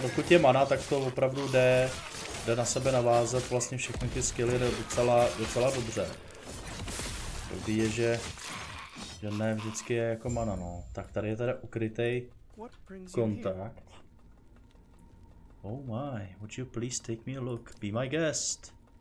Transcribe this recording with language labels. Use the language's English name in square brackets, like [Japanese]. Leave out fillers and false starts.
[Czech] Je mana, tak to opravdu jde na sebe navázat vlastně všechny ty skilly docela dobře. Dobrý je, že ne vždycky je jako mana, no. Tak tady je teda ukrytej kontakt. [English] Oh my, would you please take me a look, be my guest.